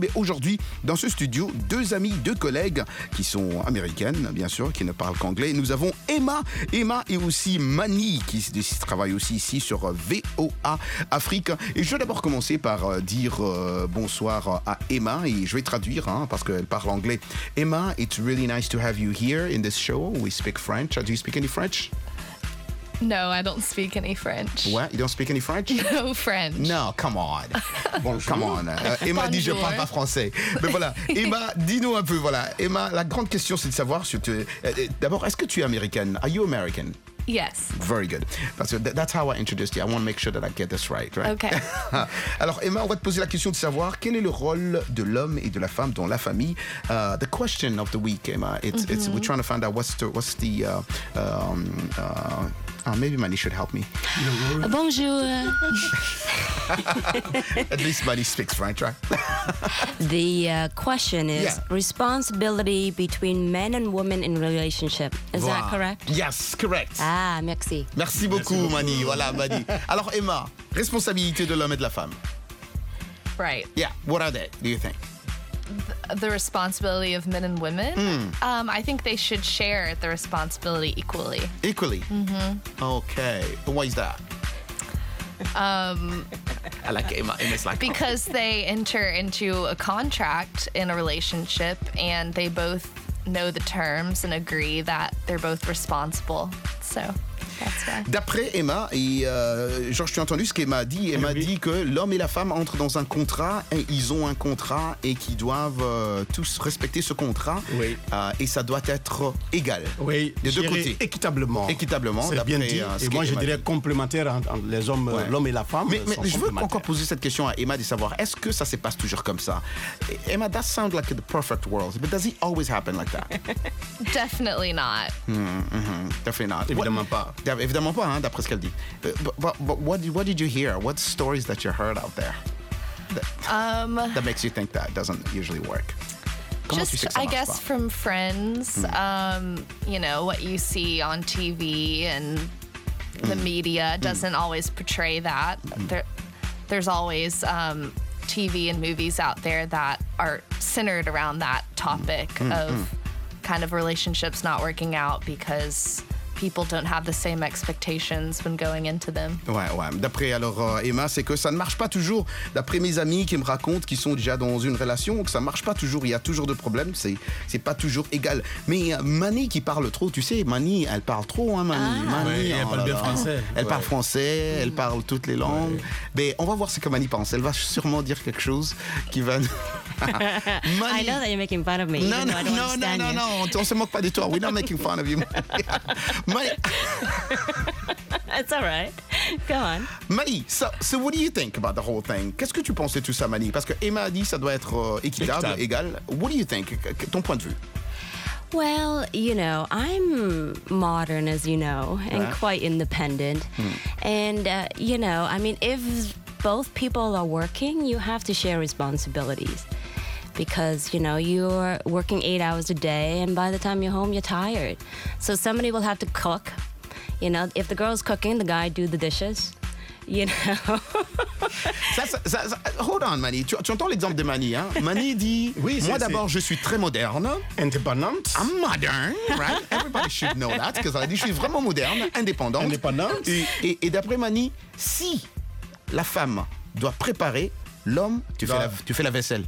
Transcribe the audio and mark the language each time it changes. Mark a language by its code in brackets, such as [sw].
[fr] Mais aujourd'hui, dans ce studio, deux amis, deux collègues qui sont américaines, bien sûr, qui ne parlent qu'anglais. Nous avons Emma et aussi Mani qui travaillent aussi ici sur VOA Afrique. Et je vais d'abord commencer par dire bonsoir à Emma et je vais traduire hein, parce qu'elle parle anglais. [en] Emma, it's really nice to have you here in this show. We speak French. Do you speak any French? No, I don't speak any French. What? You don't speak any French? No French. No, come on. [fr] Bonjour. [en] Come on. [fr] Emma dit je parle pas français. Mais voilà, Emma, dis-nous un peu. Voilà, Emma, la grande question c'est de savoir si tu. D'abord, est-ce que tu es américaine? [en] Are you American? Yes. Very good. [fr] Parce que [en] that's how I introduced you. I want to make sure that I get this right, right? Okay. [fr] Alors, Emma, on va te poser la question de savoir quel est le rôle de l'homme et de la femme dans la famille. [en] The question of the week, Emma. It's we're trying to find out what's the maybe Mani should help me. [fr] Bonjour. [en] At least Mani speaks French, right? The question is responsibility between men and women in relationship. Is that correct? Yes, correct. [fr] Ah, merci. Merci beaucoup, Mani. Voilà, Mani. Alors, Emma, responsabilité de l'homme et de la femme. [en] Right. Yeah, what are they, do you think? The responsibility of men and women. Mm. I think they should share the responsibility equally. Equally. Mm-hmm. Okay. Why is that? I like Emma. Emma's like because they enter into a contract in a relationship, and they both know the terms and agree that they're both responsible. So. [fr] D'après Emma, et genre je t'ai entendu ce qu'Emma a dit, Emma a dit que l'homme et la femme entrent dans un contrat et ils ont un contrat et qu'ils doivent tous respecter ce contrat. Oui. Et ça doit être égal. Oui, de deux côtés. Équitablement. Équitablement. C'est bien dit. Et moi je dirais complémentaire entre les hommes, l'homme et la femme. Mais je veux encore poser cette question à Emma de savoir est-ce que ça se passe toujours comme ça? [en] Emma, that sounds like the perfect world, but does it always happen like that? Definitely not. Definitely not. [fr] Évidemment pas. Évidemment pas, hein, d'après ce qu'elle dit. [en] But what did you hear? What stories that you heard out there that makes you think that doesn't usually work? Comment just, I guess, pas? From friends, you know, what you see on TV and the media doesn't always portray that. There's always TV and movies out there that are centered around that topic of kind of relationships not working out because people don't have the same expectations when going into them. [fr] Ouais, ouais. D'après alors Emma, c'est que ça ne marche pas toujours. D'après mes amis qui me racontent qu'ils sont déjà dans une relation, que ça ne marche pas toujours. Il y a toujours des problèmes. C'est pas toujours égal. Mais Mani qui parle trop, tu sais, Mani, elle parle trop, hein, Mani. Ah. Mani, oui, elle parle bien français. Elle parle français, elle parle toutes les langues. Ouais. Mais on va voir ce que Mani pense. Elle va sûrement dire quelque chose qui va. Mani. [en] I know that you're making fun of me. No, no, no, no, no, no. [fr] On se moque pas de toi. [en] We're not making fun of you. Mai, it's all right. Go on. Mai, so what do you think about the whole thing? [fr] Qu'est-ce que tu penses de tout ça, Mai? Parce que Emma a dit ça doit être équitable, égal. [en] What do you think? [fr] Ton point de vue? [en] Well, you know, I'm modern, as you know, and quite independent. Hmm. And, you know, I mean, if both people are working, you have to share responsibilities. Because, you know, you're working 8 hours a day, and by the time you're home, you're tired. So somebody will have to cook. You know, if the girl's cooking, the guy do the dishes. You know? Hold on, Mani. [fr] Tu entends l'exemple de Mani, hein? Mani dit, oui, moi d'abord, je suis très moderne. [en] Independent. I'm modern, right? Everybody should know that, because [fr] elle dit, je suis vraiment moderne, indépendante. Indépendante. Et d'après Mani, si la femme doit préparer, l'homme, tu fais la vaisselle.